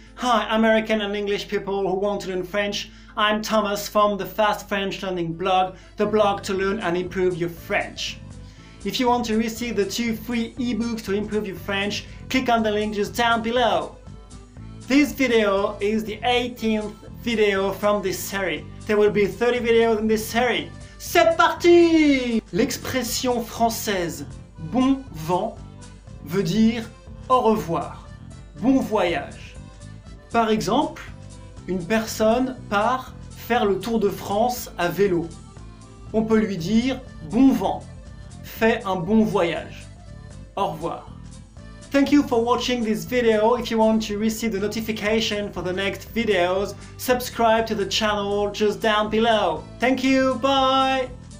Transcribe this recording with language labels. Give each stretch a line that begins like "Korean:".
English: Hi, American and English people who want to learn French. I'm Thomas from the Fast French Learning blog, the blog to learn and improve your French. If you want to receive the two free ebooks to improve your French, click on the link just down below. This video is the 18th video from this series. There will be 30 videos in this series.
French: C'est parti! L'expression française bon vent veut dire au revoir, bon voyage. Par exemple, une personne part faire le tour de France à vélo. On peut lui dire bon vent, fais un bon voyage, au revoir.
English: Thank you for watching this video. If you want to receive the notification for the next videos, subscribe to the channel just down below. Thank you, bye!